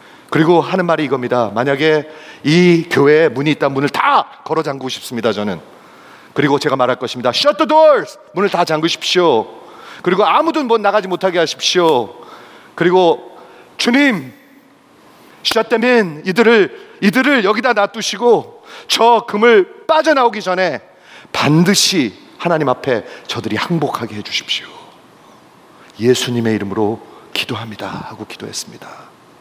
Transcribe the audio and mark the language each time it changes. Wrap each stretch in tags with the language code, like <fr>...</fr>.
<ko>그리고 하는 말이 이겁니다. 만약에 이 교회에 문이 있다면 문을 다 걸어 잠그고 싶습니다, 저는. 그리고 제가 말할 것입니다.</ko> <en>Shut the doors!</en> <ko>문을 다 잠그십시오. 그리고 아무도 못 나가지 못하게 하십시오. 그리고 주님,</ko> <en>Shut them in!</en> <ko>이들을 여기다 놔두시고 저 금을 빠져나오기 전에 반드시 하나님 앞에 저들이 항복하게 해주십시오. 예수님의 이름으로 기도합니다 하고 기도했습니다.</ko>